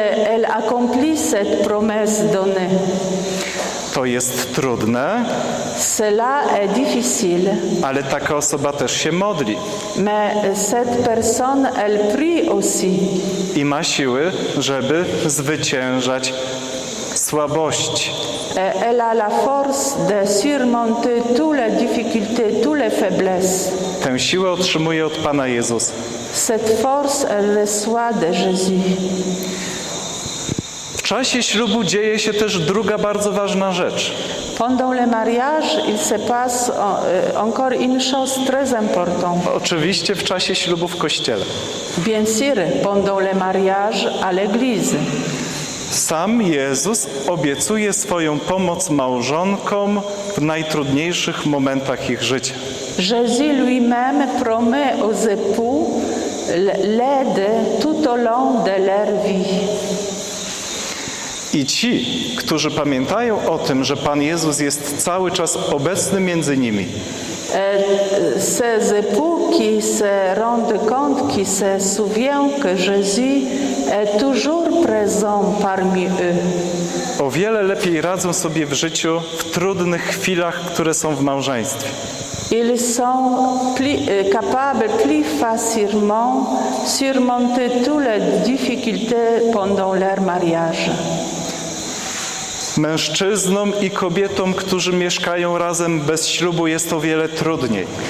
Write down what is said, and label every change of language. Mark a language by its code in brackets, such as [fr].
[fr] Elle accomplit cette promesse donnée. [pl] To jest trudne. [fr] Cela est difficile. [pl] Ale taka osoba też się modli. [fr] Mais cette personne, elle prie aussi. [pl] I ma siły, żeby zwyciężać słabość. [fr] Elle a la force de surmonter toutes les difficultés, toutes les faiblesses. [pl] Tę siłę otrzymuje od Pana Jezus. [fr] Cette force, elle reçoit de Jésus. [pl] W czasie ślubu dzieje się też druga bardzo ważna rzecz. [fr] Pendant le mariage, il se passe encore une chose très importante. [pl] Oczywiście w czasie ślubu w kościele. [fr] Bien sûr, pendant le mariage à l'église. [pl] Sam Jezus obiecuje swoją pomoc małżonkom w najtrudniejszych momentach ich życia. [fr] Jésus lui-même promet aux époux l'aide tout au long de leur vie. [pl] I ci, którzy pamiętają o tym, że Pan Jezus jest cały czas obecny między nimi. [fr] Ces époux qui se rendent compte, qui se souviennent que Jésus est toujours présent parmi eux. [pl] O wiele lepiej radzą sobie w życiu w trudnych chwilach, które są w małżeństwie. [fr] Ils sont capables plus facilement surmonter toutes les difficultés pendant leur mariage. [pl] Mężczyznom i kobietom, którzy mieszkają razem bez ślubu, jest o wiele trudniej.